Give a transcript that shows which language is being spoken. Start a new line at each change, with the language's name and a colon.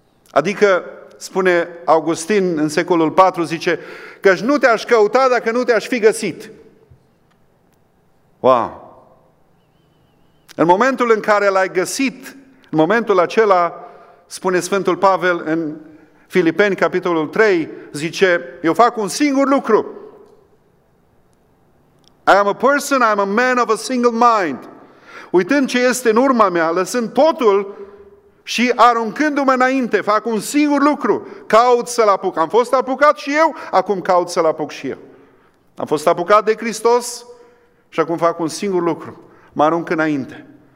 Romanian: Adică, spune Augustin în secolul 4, zice, căci nu te-aș căuta dacă nu te-aș fi găsit. Wow! În momentul în care l-ai găsit, în momentul acela, spune Sfântul Pavel în Filipeni, capitolul 3, zice, eu fac un singur lucru.
English: I am a person, I am a man of a single mind.
Romanian: Uitând ce este în urma mea, lăsând totul și aruncându-mă înainte, fac un singur lucru, caut să-L apuc. Am fost apucat și eu, acum caut să-L apuc și eu. Am fost apucat de Hristos și acum fac un singur lucru, mă arunc înainte.